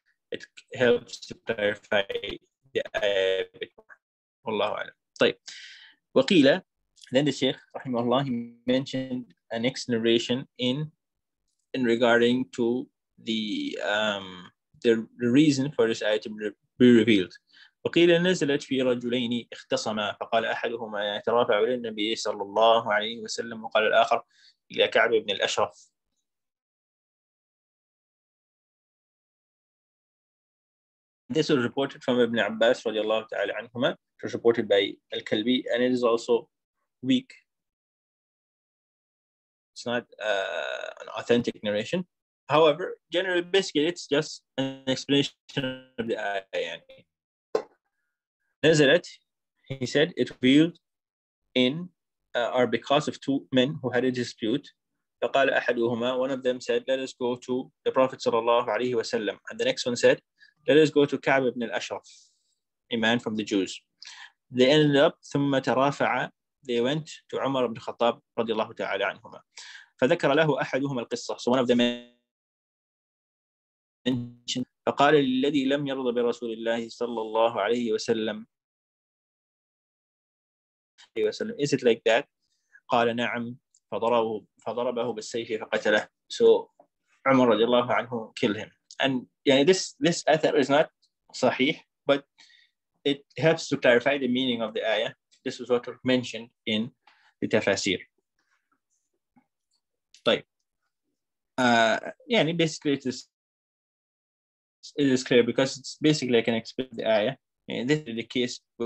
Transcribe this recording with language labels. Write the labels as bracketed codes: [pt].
[en] It helps to clarify the ayah. Allahu a'lam. طيب. وقيل, then the Sheikh rahimahullah, he mentioned a next narration in regarding to the reason for this ayah to be revealed. [ar] وقيل نزلت في رجلين اختصما, فقال أحدهما يترافع إلى النبي صلى الله عليه وسلم, وقال الآخر إلى كعب بن الأشرف. [en] This was reported from Ibn Abbas radiallahu ta'ala anhuma. It was reported by Al-Kalbi, and it is also weak. It's not an authentic narration. However, generally, basically, it's just an explanation of the ayah. Nazarat, he said, it revealed because of two men who had a dispute. [ar] فَقَالَ أَحَدُهُمَا, [en] one of them said, let us go to the Prophet sallallahu alayhi wa sallam. And the next one said, let us go to Ka'b ibn al-Ashraf, a man from the Jews. They ended up, [ar] ثُمَّ تَرَافَعَ, [en] they went to Umar ibn Khattab radiallahu ta'ala anhuma. [ar] فَذَكَرَ لَهُ أَحَدُهُمَا الْقِصَّةِ, [en] so one of the men, [ar] فقال الذي لم يرضى برسول الله صلى الله عليه وسلم, [en] is it like that? [ar] قال نعم, فضربه بالسيف فقتله. [en] So عمر رضي الله عنه kill him. And yeah, this athar is not sahih, but it helps to clarify the meaning of the ayah. This is what was mentioned in the tafsir. [ar] طيب. [en] Yeah, basically it is clear, because it's basically like an explanation of the ayah. And this is the case.